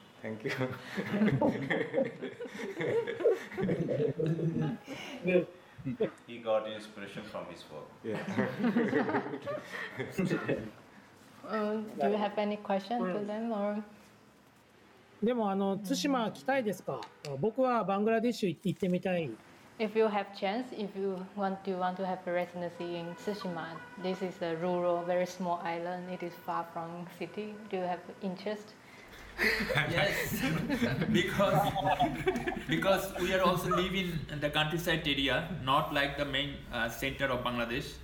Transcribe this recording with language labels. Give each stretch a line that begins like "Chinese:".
English: Thank you. He got inspiration from his work. Yeah. Do you have any question to them, or?
Japanese: でも Tsushima 来たいですか？僕はバングラデシュ行ってみたい。
English: If you have chance, if you want to have a residency in Tsushima, this is a rural, very small island. It is far from city. Do you have interest? Yes, because we are also living in the countryside area, not like the main center of Bangladesh.